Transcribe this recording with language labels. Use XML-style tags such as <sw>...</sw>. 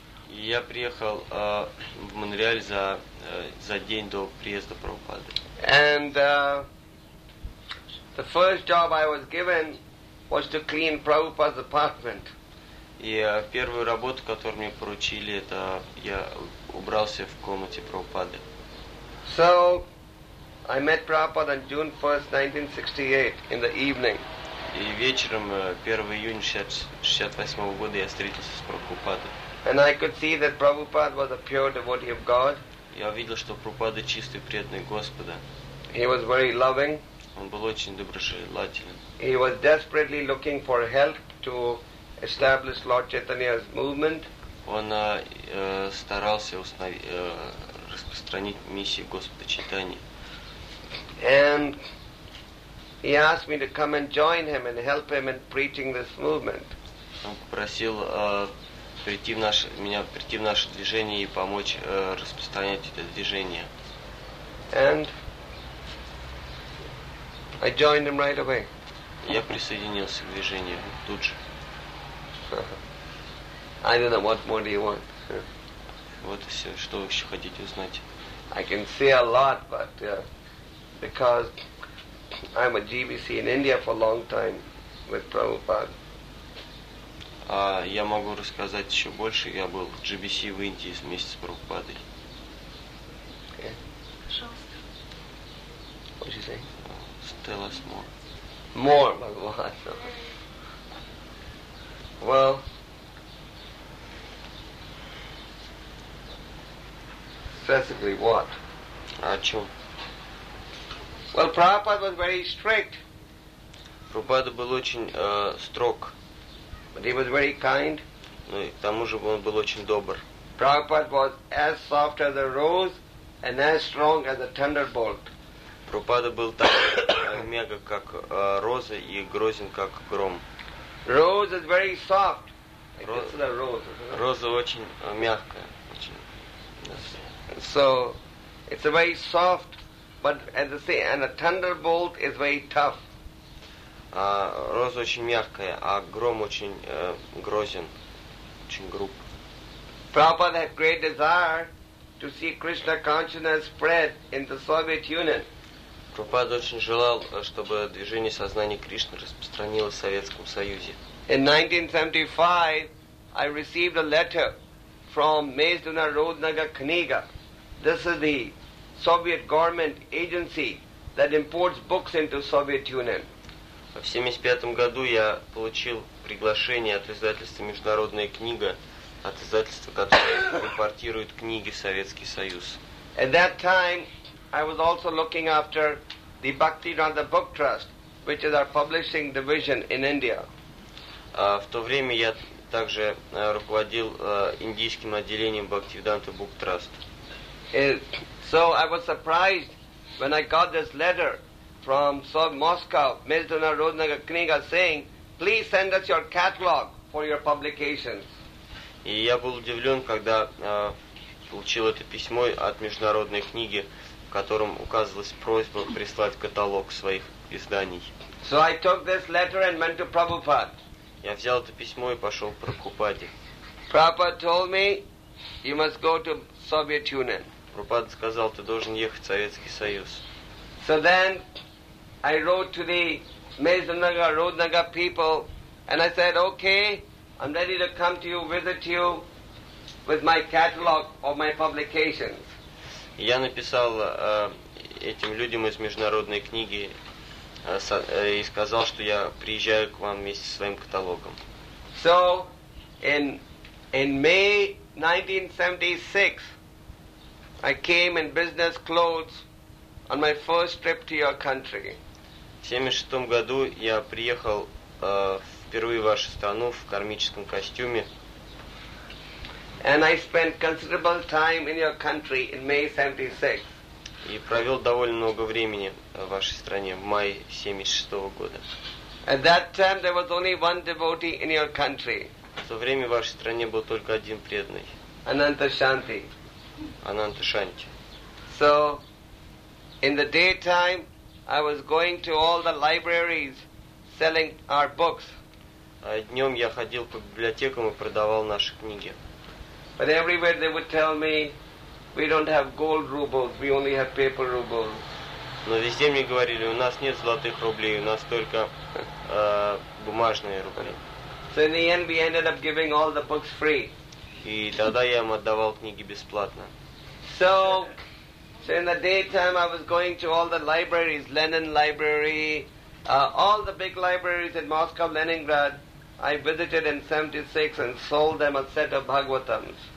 <ru>Я приехал в Монреаль за день до приезда Прабхупады.</ru> <en>And the first job I was given was to clean Prabhupada's apartment.</en> <ru>И первую работу, которую мне поручили, это я убрался в комнате Прабхупады.</ru> <en>So I met Prabhupada on June 1st, 1968 in the evening.</en> <ru>И вечером 1 июня 68 года я встретился с Прабхупадой.</ru> <en>And I could see that Prabhupada was a pure devotee of God.</en> <ru>Я видел, что Прабхупада чистый преданный Господа.</ru> <en>He was very loving.</en> <ru>Он был очень доброжелателен.</ru> <en>He was desperately looking for help to establish Lord Chaitanya's movement.</en> <ru>Он старался распространить миссию Господа Чайтаньи.</ru> <en>And he asked me to come and join him and help him in preaching this movement.</en> <ru>Он попросил прийти в наше движение и помочь распространять это движение.</ru> <en>And I joined him right away.</en> <ru>Я присоединился к движению тут же.</ru> <en>I don't know what more do you want.</en> <ru>Вот и все, что вы еще хотите узнать.</ru> <en>I can say a lot, but because I'm a GBC in India for a long time with Prabhupada.</en> <ru>Я могу рассказать еще больше. Я был в GBC в Индии вместе с Прабхупадой. Пожалуйста.</ru> <en>Okay. What did you say? Tell us more. More, Bhagavad. Well, specifically what?</en> <ru>О чем?</ru> <en>Well, Prabhupada was very strict.</en> <ru>Прабхупада был очень строг.</ru> <en>But he was very kind.</en> <ru>Ну, к тому же он был очень добр.</ru> <en>Prabhupada was as soft as a rose and as strong as a thunderbolt.</en> <ru>Прабхупада был так мягок, как роза, и грозен, как гром.</ru> <en>Rose is very soft. Like this is a rose.</en> <ru>Роза очень мягкая. Очень.</ru> <en>Yes. So it's a very soft, but as I say, and a thunderbolt is very tough.</en> <ru>Роза очень мягкая, а гром очень грозен, очень груб.</ru> <en>Prabhupada had great desire to see Krishna consciousness spread in the Soviet Union.</en> <ru>Prabhupada очень желал, чтобы движение сознания Кришны распространилось в Советском Союзе.</ru> <en>In 1975, I received a letter from Mezduna Rodnaga Kniga. This is the Soviet government agency that imports books into Soviet Union.</en> <ru>В 1975 году я получил приглашение от издательства «Международная книга», от издательства, которое импортирует книги в Советский Союз.</ru> <en>At that time, I was also looking after the Bhaktiranda Book Trust, which is our publishing division in India.</en> <ru>В то время я также руководил индийским отделением Bhaktivedanta Book Trust.</ru> <en>So I was surprised when I got this letter from Moscow, Mezduna Rodnaga Kniga, saying, please send us your catalogue for your publications.</en> <ru>И я был удивлен, когда получил это письмо от международной книги, в котором указывалась просьба прислать каталог своих изданий.</ru> <en>So I took this letter and went to Prabhupada.</en> <ru>Я взял это письмо и пошел к Прабхупаде.</ru> <en>Prabhupada told me, you must go to Soviet Union.</en> <ru>Прабхупада сказал, ты должен ехать в Советский Союз.</ru> <en>So then I wrote to the Mazanagar, Rudnagar people, and I said, okay, I'm ready to come to you, visit you with my catalog of my publications.</en> <ru>Я написал этим людям из международной книги и сказал, что я приезжаю к вам вместе со своим каталогом.</ru> <en>So, in May 1976, I came in business clothes on my first trip to your country.</en> <ru>В 76 году я приехал впервые в вашу страну в кармическом костюме.</ru> <en>And I spent considerable time in your country in May 76.</en> <ru>И провел довольно много времени в вашей стране в мае 76 года.</ru> <en>At that time there was only one devotee in your country.</en> <ru>В то время в вашей стране был только один преданный. Анантошанти. Анантошанти.</ru> <en>So, in the daytime, I was going to all the libraries selling our books.</en> <ru>Днем я ходил по библиотекам и продавал наши книги.</ru> <en>But everywhere they would tell me, we don't have gold rubles, we only have paper rubles.</en> <ru>Но везде мне говорили, у нас нет золотых рублей, у нас только бумажные рубли.</ru> <en>So in the end, we ended up giving all the books free.</en> <ru>И тогда я им отдавал книги бесплатно.</ru> <en>So in the daytime, I was going to all the libraries, Lenin Library, all the big libraries in Moscow, Leningrad. I visited in 76 and sold them a set of Bhagavatams.</en>